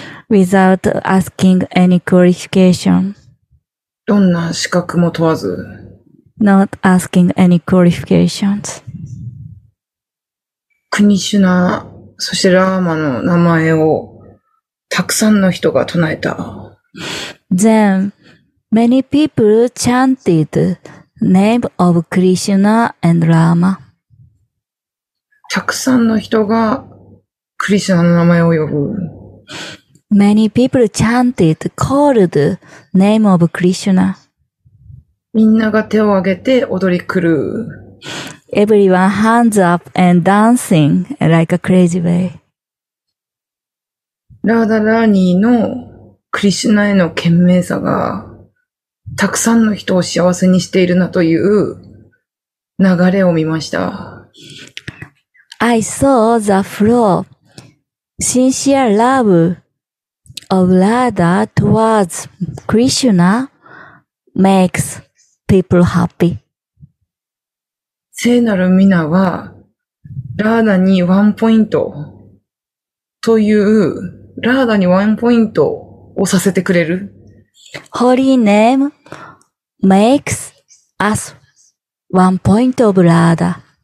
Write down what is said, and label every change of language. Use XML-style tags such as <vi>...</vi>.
<en>Without asking any qualification.</en> <ja>どんな資格も問わず。</ja> <en>Not asking any qualifications.</en> <ja>クニシュナ、そしてラーマの名前をたくさんの人が唱えた。</ja> <en>Then many people chanted the name of Krishna and Rama.</en> <ja>たくさんの人がクリシュナの名前を呼ぶ。</ja> <en>Many people chanted, called the name of Krishna.</en> <ja>みんなが手を挙げて踊り狂う。</ja> <en>Everyone hands up and dancing like a crazy way.</en> <ja>ラーダラーニーのクリシュナへの賢明さがたくさんの人を幸せにしているなという流れを見ました。</ja> <en>I saw the flow, sincere love of Radha towards Krishna makes people happy.</en> <ja>聖なるミナはラーダにワンポイントというラーダにワンポイントをさせてくれる。</ja> <en>Holy name makes us one point of Radha.</en>